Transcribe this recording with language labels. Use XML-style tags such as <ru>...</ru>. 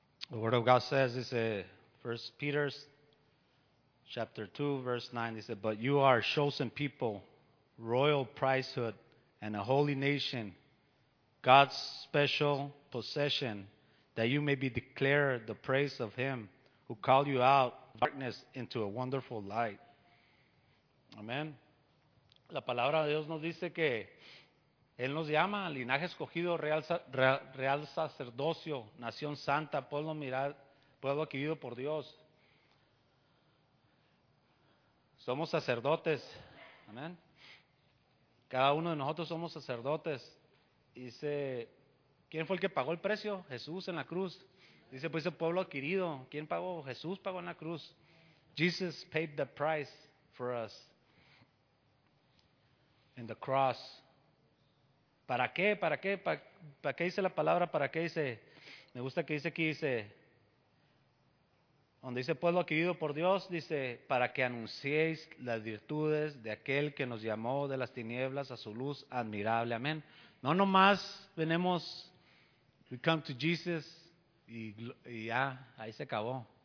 <en>The Word of God says, it's 1 Peter chapter 2, verse 9. It says, But you are a chosen people, royal priesthood, and a holy nation, God's special possession, that you may be declared the praise of Him who called you out of darkness into a wonderful light. Amen.</en> <es>La palabra de Dios nos dice que Él nos llama, linaje escogido, real sacerdocio, nación santa, pueblo adquirido por Dios. Somos sacerdotes, amén. Cada uno de nosotros somos sacerdotes. Dice, ¿quién fue el que pagó el precio? Jesús en la cruz. Dice, pues el pueblo adquirido, ¿quién pagó? Jesús pagó en la cruz.</es> <en>Jesus paid the price for us in the cross.</en> <es>¿Para qué? ¿Para qué? ¿Para qué dice la palabra? ¿Para qué dice? Me gusta que dice aquí, dice, donde dice pueblo adquirido por Dios, dice, para que anunciéis las virtudes de aquel que nos llamó de las tinieblas a su luz admirable. Amén. No nomás venimos,</es> <en>we come to Jesus</en> <es>y ya, ahí se acabó.</es>